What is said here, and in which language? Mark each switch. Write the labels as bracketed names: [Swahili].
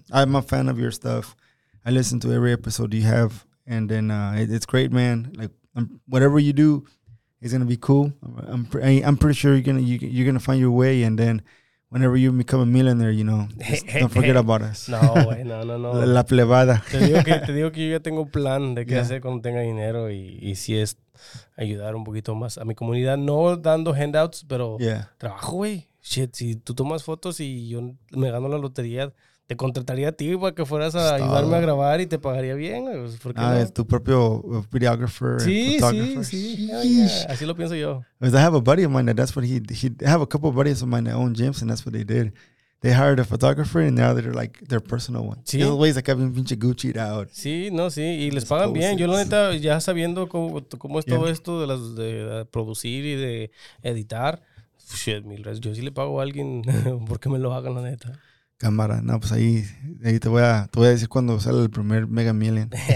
[English] I'm a fan of your stuff. I listen to every episode you have. And then it's great, man. Like, whatever you do, it's gonna be cool. I'm pretty sure you're gonna find your way, and then whenever you become a millionaire, you know, don't forget about us. [Spanish] No, la plebada. Te digo que yo ya tengo un plan de qué hacer cuando tenga dinero y si es ayudar un poquito más a mi comunidad, no dando handouts, pero trabajo, güey. Shit, si tú tomas fotos y yo me gano la lotería, te contrataría a ti para que fueras a ayudarme a grabar y te pagaría bien. ¿Por qué no? Tu propio videographer. Sí, sí. Así lo pienso yo. [English] I have a buddy of mine that's what he I have a couple of buddies of mine that own gyms and that's what they did. they hired a photographer and now they're like their personal one. Sí. In other ways, like having pinche Gucci'd out. [Spanish] Sí, no, sí. Y les pagan bien. Yo la neta, ya sabiendo cómo es todo esto de las de producir y de editar, shit, mil gracias. Yo sí le pago a alguien porque me lo hagan, la neta. Cámara, no, pues ahí te voy a decir cuando sale el primer Mega Million.